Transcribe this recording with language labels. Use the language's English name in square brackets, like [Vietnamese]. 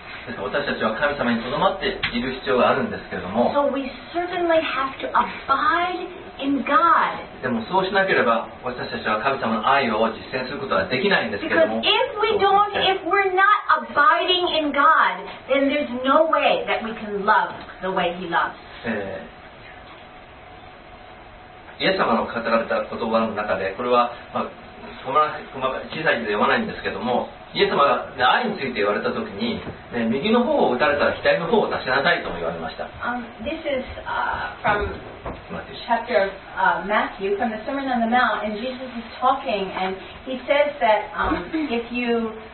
[Japanese] 私たちは神様にとどまっている必要があるんですけれども。 [English] So we certainly have to abide. In God. [Japanese] でもそうしなければ私たちは神様の愛を実践することはできないんですけども。 [English] Because if we don't, if we're not abiding in God, then there's no way that we can love the way He loves. [Japanese] イエス様の語られた言葉の中で、これは、まあ、小さい字で言わないんですけども、イエス様が、ね、愛について言われた時に、ね、右の方を打たれたら左の方を出しなさいとも言われました。 [English] This is from chapter of Matthew from the Sermon on the Mount, and Jesus is talking, and he says that if you